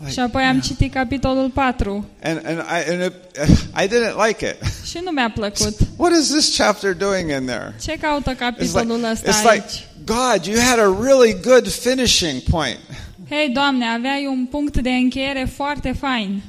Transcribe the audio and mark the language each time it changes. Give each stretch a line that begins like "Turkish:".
Romanian: Și apoi am citit capitolul 4.
English: And I didn't like it.
Romanian: Și nu mi-a plăcut.
English: What is this chapter doing in there?
Romanian: Ce caută capitolul ăsta aici?
English: It's like, God, you had a really good finishing point.
Romanian: Hey, Doamne, aveai un punct de încheiere foarte fain.